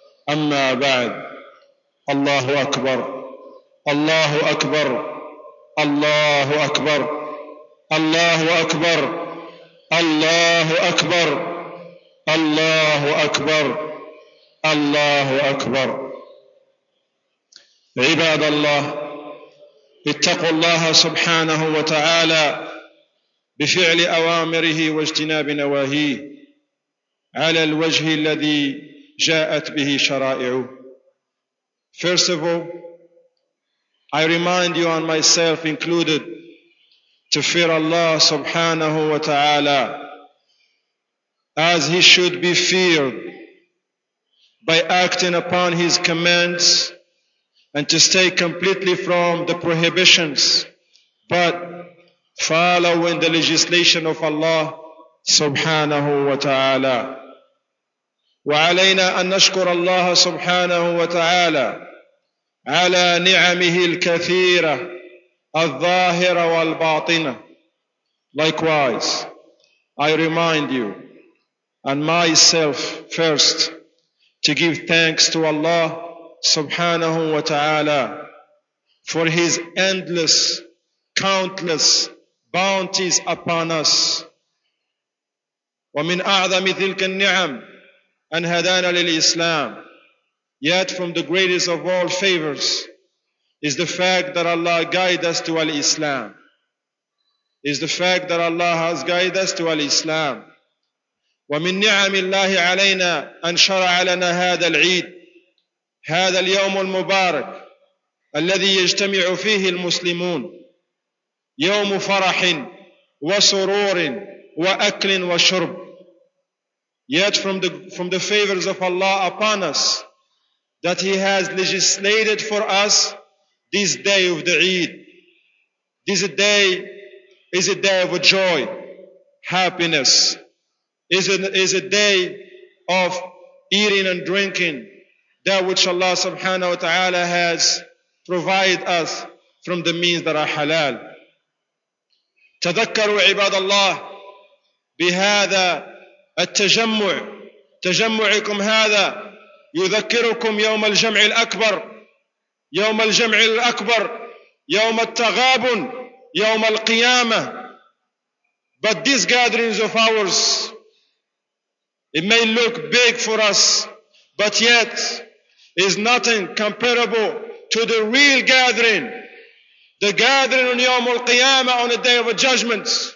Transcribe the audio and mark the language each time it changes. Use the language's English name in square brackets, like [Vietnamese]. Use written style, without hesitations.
[Arabic] أما بعد، الله أكبر، الله أكبر، الله أكبر، الله أكبر، الله أكبر، الله أكبر، الله أكبر. عباد الله، اتقوا الله سبحانه وتعالى بفعل أوامره واجتناب نواهيه على الوجه الذي جاءت به شرائعه. [English] First of all, I remind you and myself included to fear Allah subhanahu wa ta'ala as He should be feared by acting upon His commands and to stay completely from the prohibitions but following the legislation of Allah subhanahu wa ta'ala. [Arabic] وعلينا أن نشكر الله سبحانه وتعالى على نعمه الكثيرة الظاهرة والباطنة. [English] Likewise, I remind you and myself first to give thanks to Allah [Arabic] سبحانه وتعالى [English] for His endless, countless bounties upon us. [Arabic] ومن أعظم تلك النعم أن هدانا للإسلام. [English] Yet from the greatest of all favors is the fact that Allah guide us to al-Islam. Is the fact that Allah has guided us to al-Islam. [Arabic] ومن نعم الله علينا أن شرع لنا هذا العيد، هذا اليوم المبارك الذي يجتمع فيه المسلمون، يوم فرح وسرور وأكل وشرب. [English] Yet from the favors of Allah upon us that He has legislated for us this day of the Eid. This day is a day of joy, happiness. Is a day of eating and drinking that which Allah subhanahu wa ta'ala has provided us from the means that are halal. [Arabic] تذكروا عباد الله بهذا التجمع. تجمعكم هذا يذكركم يوم الجمع الأكبر، يوم الجمع الأكبر، يوم التغابن، يوم القيامة. [English] But these gatherings of ours, it may look big for us, but yet is nothing comparable to the real gathering, the gathering on [Arabic] يوم القيامة, [English] on the day of judgment.